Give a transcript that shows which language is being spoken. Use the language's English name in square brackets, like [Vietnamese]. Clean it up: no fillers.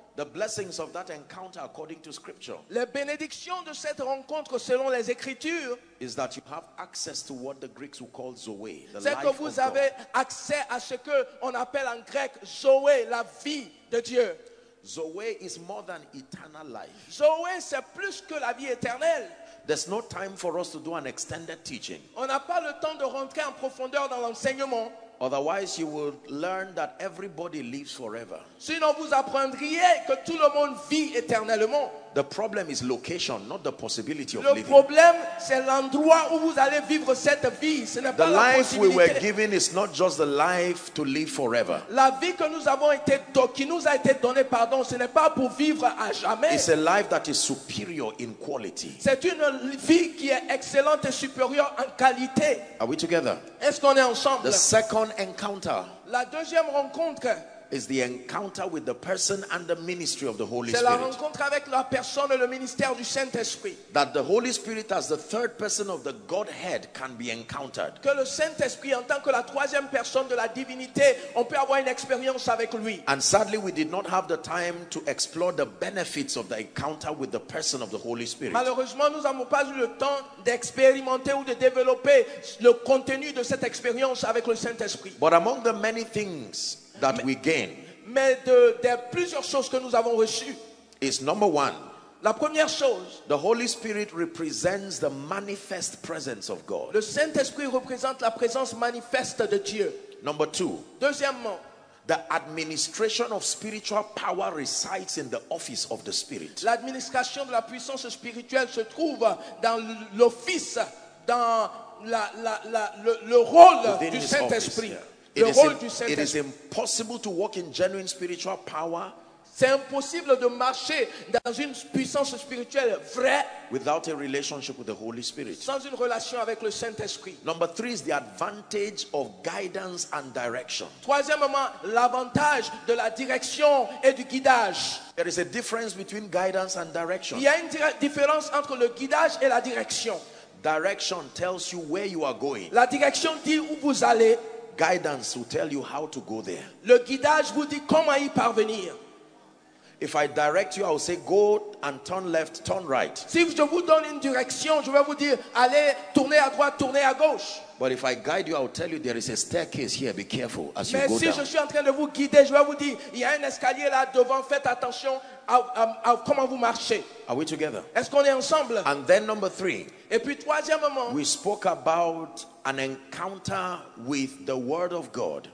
[English] The blessings of that encounter according to scripture. [French] Les bénédictions de cette rencontre selon les écritures. [English] Is that you have access to what the Greeks would call Zoe, the life of God. [French] C'est que vous avez accès à ce que on appelle en grec Zoé, la vie de Dieu. [English] Zoé is more than eternal life. [French] Zoé c'est plus que la vie éternelle. [English] There's no time for us to do an extended teaching. [French] On n'a pas le temps de rentrer en profondeur dans l'enseignement. [English] Otherwise, you will learn that everybody lives forever. [French] Sinon, vous apprendriez que tout le monde vit éternellement. [English] The problem is location, not the possibility of [French] le [English] living. [French] Le problème, c'est l'endroit où vous allez vivre cette vie. Ce n'est [English] the [French] pas la possibilité. [English] The life we were given is not just the life to live forever. [French] La vie que nous avons été, qui nous a été donnée, pardon, ce n'est pas pour vivre à jamais. [English] It's a life that is superior in quality. [French] C'est une vie qui est excellente et supérieure en qualité. [English] Are we together? [French] Est-ce qu'on est ensemble? [English] The second encounter. [French] La deuxième rencontre. [English] Is the encounter with the person and the ministry of the Holy Spirit. [French] C'est la rencontre avec la personne et le ministère du Saint-Esprit. [English] That the Holy Spirit as the third person of the Godhead can be encountered. [French] Que le Saint-Esprit en tant que la troisième personne de la divinité, on peut avoir une expérience avec lui. [English] And sadly we did not have the time to explore the benefits of the encounter with the person of the Holy Spirit. [French] Malheureusement, nous n'avons pas eu le temps d'expérimenter ou de développer le contenu de cette expérience avec le Saint-Esprit. [English] But among the many things that we gain. [French] Mais de plusieurs choses que nous avons reçues. [English] Is number one. [French] La première chose. [English] The Holy Spirit represents the manifest presence of God. [French] Le Saint-Esprit représente la présence manifeste de Dieu. [English] Number two. [French] Deuxièmement. [English] The administration of spiritual power resides in the office of the Spirit. [French] L'administration de la puissance spirituelle se trouve dans l'office, dans le rôle [English] within [French] du Saint-Esprit. [English] It is impossible to walk in genuine spiritual power [French] C'est impossible de marcher dans une puissance spirituelle vraie [English] without a relationship with the Holy Spirit. [French] Sans une relation avec le Saint-Esprit. [English] Number three is the advantage of guidance and direction. [French] Troisièmement, l'avantage de la direction et du guidage. [English] There is a difference between guidance and direction. [French] Il y a une différence entre le guidage et la direction. [English] Direction tells you where you are going. [French] La direction dit où vous allez. [English] Guidance will tell you how to go there. [French] Le guidage vous dit comment y parvenir. [English] If I direct you, I will say go and turn left, turn right. [French] Si je vous donne une direction, je vais vous dire allez, tournez à droite, tournez à gauche. [English] But if I guide you, I will tell you there is a staircase here. Be careful as [French] Mais [English] you go [French] si [English] down. [French] Je suis en train de vous guider, je vais vous dire il y a un escalier là devant. Faites attention à comment vous marchez. [English] Are we together? [French] Est-ce qu'on est ensemble? [English] And then number three. [French] Et puis troisièmement, [English] we spoke about an encounter with the Word of God.